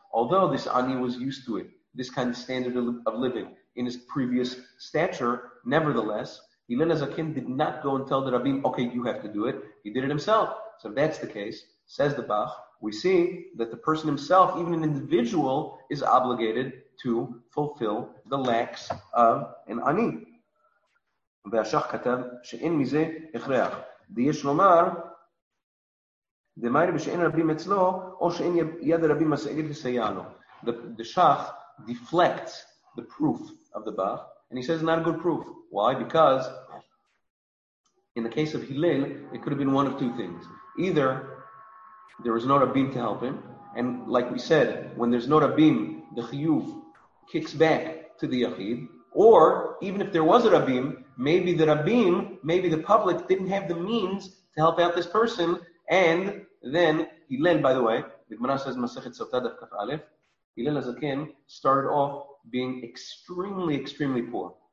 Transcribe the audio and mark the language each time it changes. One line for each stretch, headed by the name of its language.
English: Although this ani was used to it, this kind of standard of living in his previous stature, nevertheless, Hillel HaZaken did not go and tell the Rabbim, okay, you have to do it. He did it himself. So if that's the case, says the Bach, we see that the person himself, even an individual, is obligated to fulfill the lacks of an ani.
Hebrew: והשח כתב שאין מזה הכרח. דיש לומר, דמייר בשאין רבים אצלו, או שאין יד הרבים מסעגת לסייע לו.
English: The Shach deflects the proof of the Bach, and he says not a good proof. Why? Because in the case of Hillel, it could have been one of two things. Either there was no rabim to help him, and like we said, when there's no rabim, the chiyuv kicks back to the yachid, or even if there was a rabim, maybe the public didn't have the means to help out this person, and then Hillel, by the way, the Gemara says Masechet Sotah Daf Kaf Aleph, Hillel HaZaken started off being extremely, extremely poor.